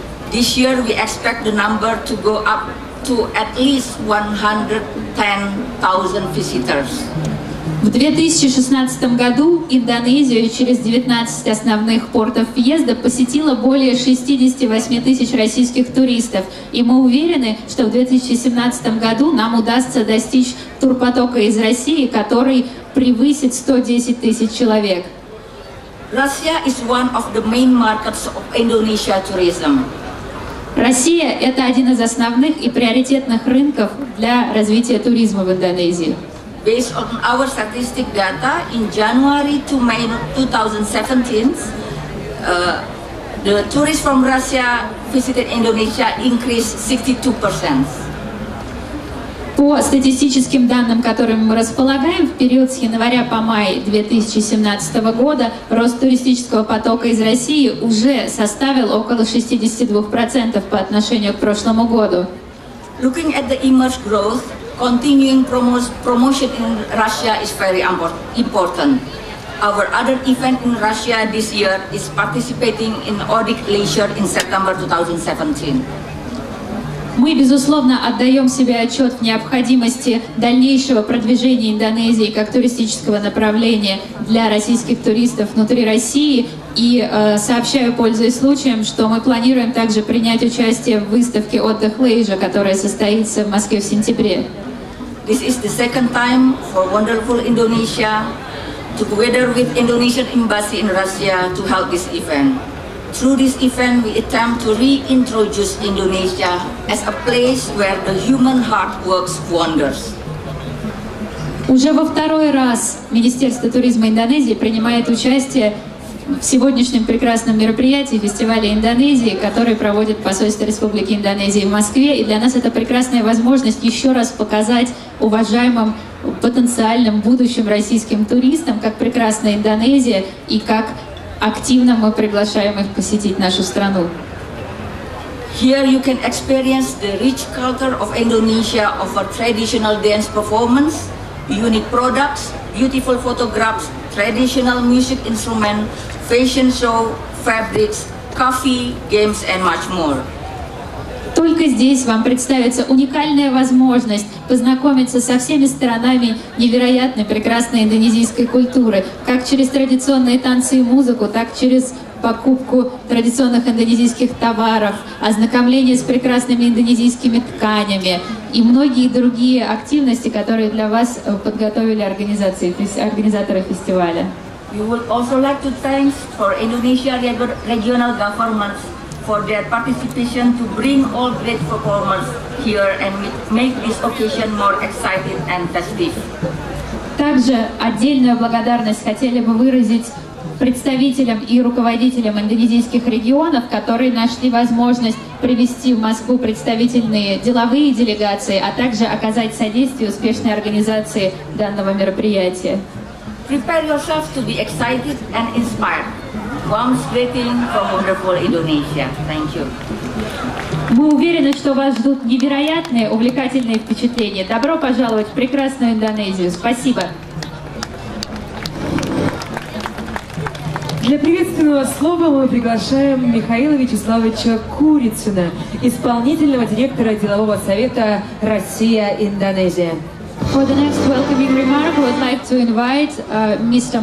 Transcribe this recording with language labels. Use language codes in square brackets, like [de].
[en] This year, we expect the number to go up to at least 110,000 visitors. [ru] В 2016 году Индонезию через 19 основных портов въезда посетило более 68 тысяч российских туристов. И мы уверены, что в 2017 году нам удастся достичь турпотока из России, который превысит 110 тысяч человек. [en] Russia is one of the main markets of Indonesia tourism. [ru] Россия – это один из основных и приоритетных рынков для развития туризма в Индонезии. [en] Based on our statistic data, in January to May 2017, the tourists from Russia visited Indonesia increased 62%. [ru] По статистическим данным, которыми мы располагаем, в период с января по май 2017 года рост туристического потока из России уже составил около 62% по отношению к прошлому году. [en] Looking at the immense growth, continuing promotion in Russia is very important. Our other event in Russia this year is participating in Odik Leisure in September 2017. [ru] Мы, безусловно, отдаем себе отчет в необходимости дальнейшего продвижения Индонезии как туристического направления для российских туристов внутри России. И сообщаю, пользуясь случаем, что мы планируем также принять участие в выставке «Отдых Лейжа», которая состоится в Москве в сентябре. [en] This is the second time for wonderful Indonesia, together with Indonesian embassy in Russia, to help this event. Through this event, we attempt to reintroduce Indonesia as a place where the human heart works wonders. [ru] Уже во второй раз Министерство туризма Индонезии принимает участие в сегодняшнем прекрасном мероприятии фестиваля Индонезии, который проводит посольство Республики Индонезии в Москве. И для нас это прекрасная возможность еще раз показать уважаемым потенциальным будущим российским туристам, как прекрасна Индонезия и как активно мы приглашаем их посетить нашу страну. [en] Here you can experience the rich culture of Indonesia of a traditional dance performance, unique products, beautiful photographs, traditional music instrument, fashion show, fabrics, coffee, games and much more. [ru] Только здесь вам представится уникальная возможность познакомиться со всеми сторонами невероятной прекрасной индонезийской культуры, как через традиционные танцы и музыку, так через покупку традиционных индонезийских товаров, ознакомление с прекрасными индонезийскими тканями и многие другие активности, которые для вас подготовили организации, то есть организаторы фестиваля. [en] You would also like to thank for Indonesia regional governments for their participation to bring all great performers here and make this occasion more exciting and festive. [ru] Также отдельную благодарность хотели бы выразить представителям и руководителям индонезийских регионов, которые нашли возможность привести в Москву представительные деловые делегации, а также оказать содействие успешной организации данного мероприятия. [en] Prepare yourself to be excited and inspired. Warm greeting from wonderful Indonesia. Thank you. [ru] Мы уверены, что вас ждут невероятные, увлекательные впечатления. Добро пожаловать в прекрасную Индонезию. Спасибо. Для приветственного слова мы приглашаем Михаила Вячеславовича Курицына, исполнительного директора делового совета «Россия-Индонезия». [en] For the next welcoming remark, we would like to invite Mr.